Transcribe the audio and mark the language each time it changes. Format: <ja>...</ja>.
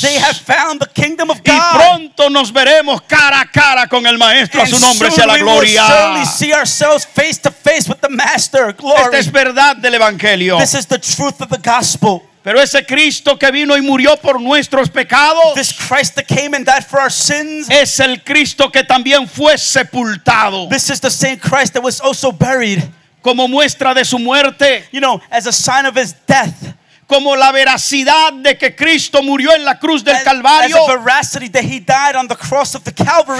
<en>They have found the kingdom of God.</en> <es>Y pronto nos veremos cara a cara con el Maestro.</es> <en>And</en> <es>a su nombre sea la gloria.</es> <en>Face to face with the Master. Glory.</en> <es>Esta es verdad del evangelio.</es> <en>This is the truth of the gospel.</en> <es>Pero ese Cristo que vino y murió por nuestros pecados,</es> <en>this Christ that came and died for our sins,</en> <es>es el Cristo que también fue sepultado.</es> <en>This is the same Christ that was also buried.</en> <es>Como muestra de su muerte,</es> <en>you know, as a sign of his death,</en> <es>como la veracidad de que Cristo murió en la cruz del Calvario,</es> <en>as a veracity that he died on the cross of the Calvary,</en>